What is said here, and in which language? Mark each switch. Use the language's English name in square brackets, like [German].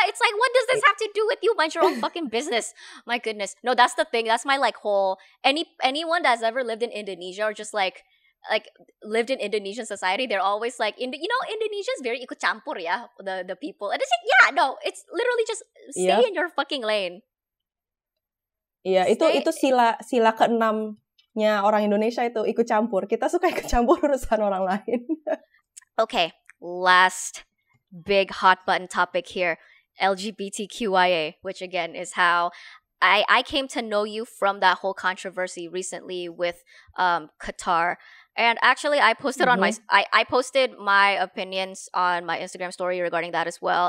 [English] It's like, what does this have to do with you? Mind your own fucking business. My goodness. No, that's the thing. That's my like whole, anyone that's ever lived in Indonesia or just like, lived in Indonesian society, they're always like, you know, Indonesia is very [Indonesian] ikut campur, [English] yeah, the people. And it's like, yeah, no, it's literally just stay in your fucking lane. [Indonesian] Yeah, itu sila keenamnya orang Indonesia itu ikut campur. Kita suka ikut campur urusan orang lain. [English] Okay, last big hot button topic here, LGBTQIA, which again is how I came to know you from that whole controversy recently with Qatar. And actually, I posted posted my opinions on my Instagram story regarding that as well.